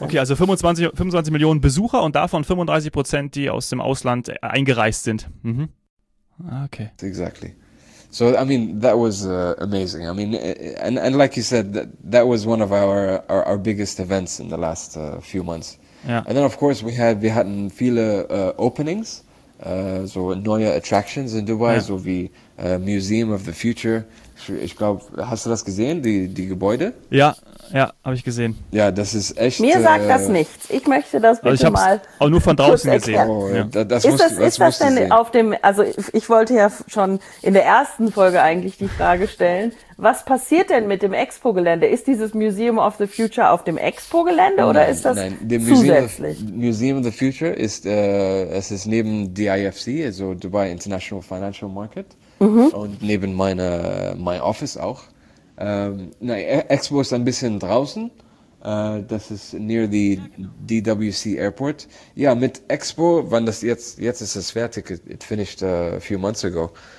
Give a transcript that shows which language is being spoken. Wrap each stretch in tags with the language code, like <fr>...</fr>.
<de>Okay, also 25 Millionen Besucher und davon 35%, die aus dem Ausland eingereist sind.</de> <en>Okay. Exactly. So, I mean, that was amazing. I mean, and like you said, that was one of our biggest events in the last few months. Yeah. And then, of course,</en> <de>wir hatten viele openings, so neue attractions in Dubai, so wie Museum of the Future. Ich glaube, hast du das gesehen, die Gebäude? Ja, habe ich gesehen. Ja, das ist echt... Mir sagt das nichts. Ich möchte das bitte ich mal... Auch nur von draußen gesehen. Oh, ja. Ist das denn auf dem... Also ich wollte ja schon in der ersten Folge eigentlich die Frage stellen, was passiert denn mit dem Expo-Gelände? Ist dieses Museum of the Future auf dem Expo-Gelände oder ist das Museum of the Future ist, es ist neben DIFC, also Dubai International Financial Market. Und neben mein Office auch. Expo ist ein bisschen draußen. Das ist</de> <en>near the DWC Airport.</en> <de>Ja, mit Expo, wann das jetzt ist es fertig.</de> <en>It finished a few months ago.</en>